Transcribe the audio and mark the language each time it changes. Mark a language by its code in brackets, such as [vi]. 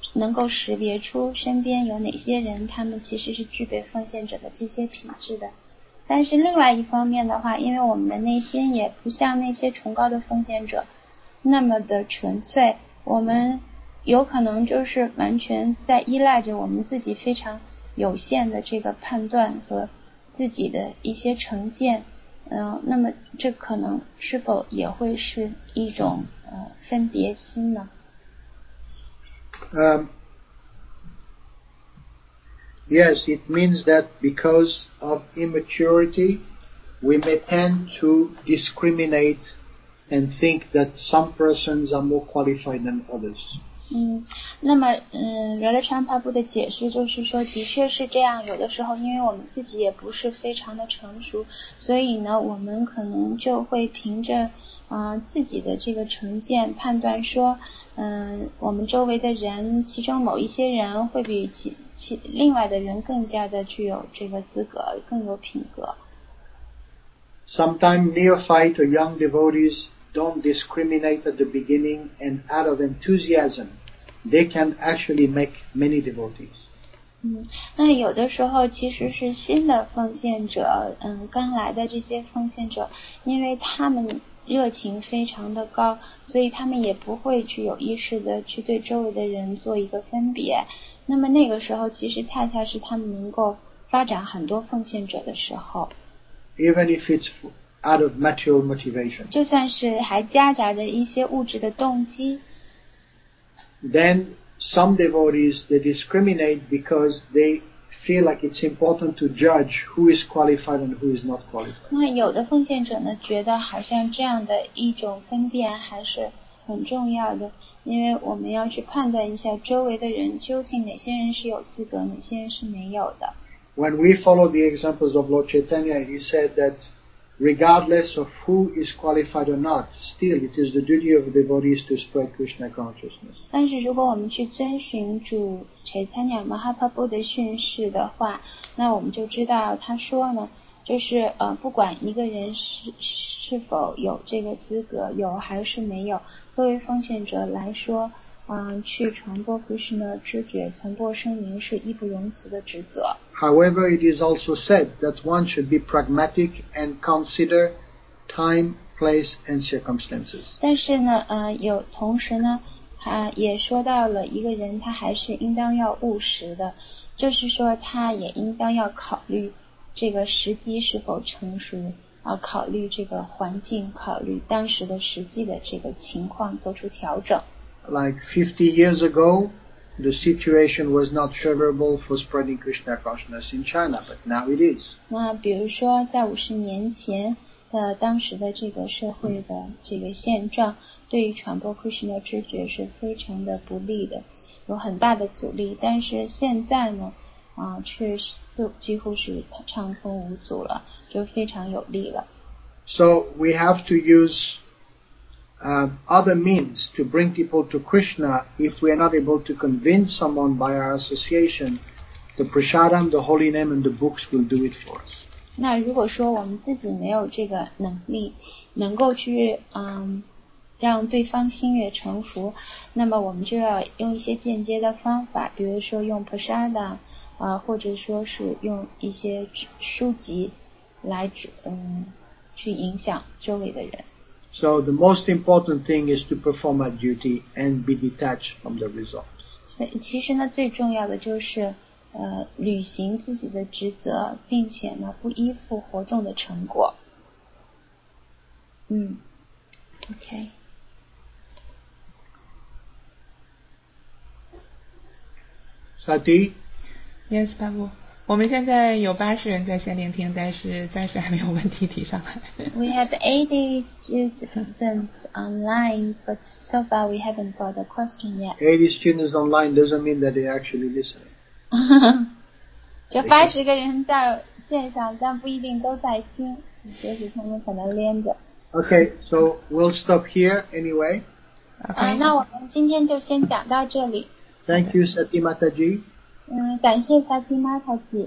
[zh] 能够识别出身边有哪些人他们其实是具备奉献者的这些品质的但是另外一方面的话因为我们的内心也不像那些崇高的奉献者那么的纯粹我们有可能就是完全在依赖着我们自己非常有限的这个判断和自己的一些成见那么这可能是否也会是一种分别心呢 [en] Yes, it means that because of immaturity, we may tend to discriminate and think that some persons are more qualified than others. [zh] 那么Radha Charan Prabhu 的解释就是说，的确是这样。有的时候，因为我们自己也不是非常的成熟，所以呢，我们可能就会凭着。自己的这个成见判断说我们周围的人其中某一些人会比其另外的人更加的具有这个资格更有品格 [en] Sometimes neophyte or young devotees don't discriminate at the beginning and out of enthusiasm they can actually make many devotees [zh] 那有的时候其实是新的奉献者刚来的这些奉献者因为他们热情非常的高所以他们也不会去有意识的去对周围的人做一个分别那么那个时候其实恰恰是他们能够发展很多奉献者的时候 [en] Even if it's out of material motivation [zh] 就算是还夹杂着一些物质的动机 [en] Then some devotees they discriminate because they feel like it's important to judge who is qualified and who is not qualified. [zh] 那有的奉献者呢，觉得好像这样的一种分辨还是很重要的，因为我们要去判断一下周围的人究竟哪些人是有资格，哪些人是没有的。 [en] When we follow the examples of Lord Chaitanya, he said that regardless of who is qualified or not, still it is the duty of the devotees to spread Krishna consciousness. [zh] 但是如果我们去遵循主 Chaitanya Mahaprabhu 的训示的话，那我们就知道他说呢，就是不管一个人是否有这个资格，有还是没有，作为奉献者来说，去传播 Krishna 知觉，传播声明是义不容辞的职责。 [en] However, it is also said that one should be pragmatic and consider time, place, and circumstances. [zh] 但是呢，有同时呢，也说到了一个人他还是应当要务实的，就是说他也应当要考虑这个时机是否成熟，考虑这个环境，考虑当时的实际的这个情况，做出调整。 [en] Like 50 years ago, the situation was not favorable for spreading Krishna consciousness in China, but now it is. [zh] 那比如说在50年前的当时的这个社会的这个现状，对于传播 Krishna 知觉是非常的不利的，有很大的阻力。但是现在呢，啊，却几乎是畅通无阻了，就非常有利了。 [en] So we have to use other means to bring people to Krishna if we are not able to convince someone by our association. The prasadam, the holy name, and the books will do it for us. [zh] 那如果说我们自己没有这个能力能够去让对方心悦诚服，那么我们就要用一些间接的方法，比如说用 prasadam 或者说是用一些书籍来去影响周围的人。 [en] So the most important thing is to perform a duty and be detached from the result. [zh] 其实呢最重要的就是履行自己的职责，并且呢不依附活动的成果。 [en] OK. Sati? Yes, Babu. [zh] 我们现在有80人在线聆听，但是暂时还没有问题提上来。 [en] We have 80 students online, but so far we haven't got a question yet. 80 students online doesn't mean that they actually listen. [zh] 就80个人在线上，但不一定都在听，就是他们可能连着。 [en] Okay, so we'll stop here anyway. Okay. [zh] 那我们今天就先讲到这里。 [en] Thank you, Sati Mataji. [zh] 感谢萨提玛塔吉。